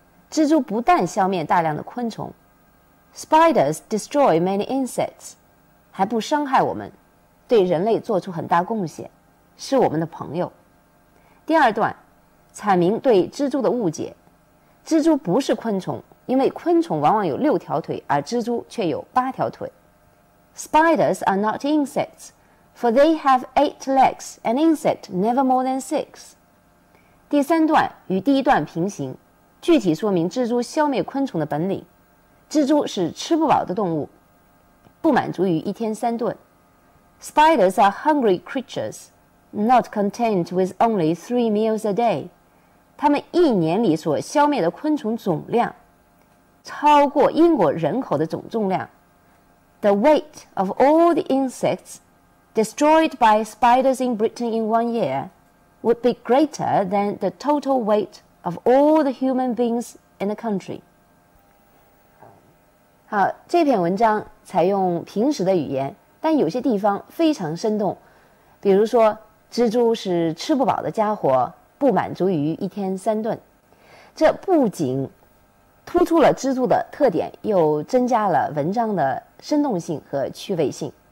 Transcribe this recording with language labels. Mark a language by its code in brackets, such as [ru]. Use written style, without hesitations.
[zh] 蜘蛛不但消灭大量的昆虫 , [en] Spiders destroy many insects, [zh] 还不伤害我们。对人类做出很大贡献，是我们的朋友。第二段，阐明对蜘蛛的误解。蜘蛛不是昆虫，因为昆虫往往有六条腿，而蜘蛛却有八条腿。 [en] Spiders are not insects, for they have 8 legs, an insect never more than 6. [zh] 第三段与第一段平行，具体说明蜘蛛消灭昆虫的本领。蜘蛛是吃不饱的动物，不满足于一天三顿。 [en] Spiders are hungry creatures, not content with only 3 meals a day. [zh] 他们一年里所消灭的昆虫总量超过英国人口的总重量。 [en] The weight of all the insects destroyed by spiders in Britain in 1 year would be greater than the total weight of all the human beings in the country. [zh] 好，这篇文章采用平时的语言，但有些地方非常生动。比如说，蜘蛛是吃不饱的家伙，不满足于一天三顿。这不仅突出了蜘蛛的特点，又增加了文章的生动性和趣味性。